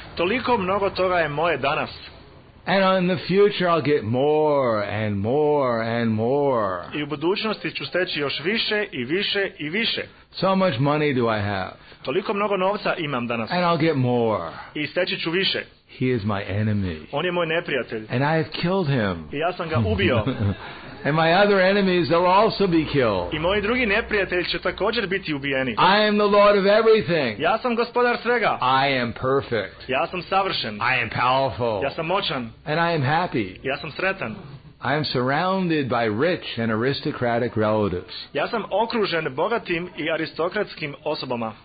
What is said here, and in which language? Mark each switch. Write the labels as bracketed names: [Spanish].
[Bosnian] Toliko mnogo toga je moje danas. [English] And in the future I'll get more and more and more. [Bosnian] I u budućnosti ću steći još više i više i više. [English] So much money do I have. [Bosnian] Toliko mnogo novca imam danas. [English] And I'll get more. [Bosnian] I steći ću više. [English] He is my enemy. [Bosnian] On je moj neprijatelj. [English] And I have killed him. [Bosnian] I ja sam ga ubio. [English] And my other enemies will also be killed. [Bosnian] I moji drugi neprijatelji će također biti ubijeni. [English] I am the Lord of everything. [Bosnian] Ja sam gospodar svega. [English] I am perfect. [Bosnian] Ja sam savršen. [English] I am powerful. [Bosnian] Ja sam moćan. [English] And I am happy. [Bosnian] Ja sam sretan. [English] I am surrounded by rich and aristocratic relatives. [Bosnian] Ja sam okružen bogatim i aristokratskim osobama.